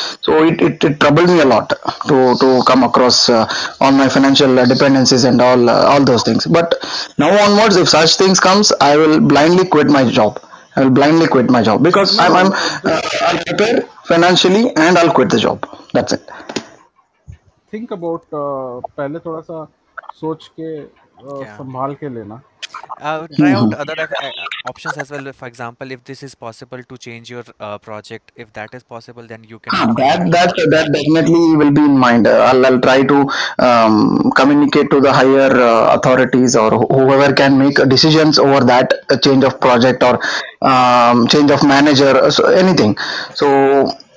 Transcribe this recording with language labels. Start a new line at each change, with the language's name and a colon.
English: So it troubled me a lot to come across on my financial dependencies and all those things. But now onwards, if such things comes, I will blindly quit my job. I will blindly quit my job because I'll prepare financially and I'll quit the job. That's it. Think about
Hindi: पहले थोड़ा सा सोच के संभाल के लेना.
English: Try out other options as well. For example, if this is possible to change your project, if that is possible, then you can. That definitely will be in mind. I'll try to communicate to the higher authorities or whoever can make decisions over that change of project or change of manager. So anything. So.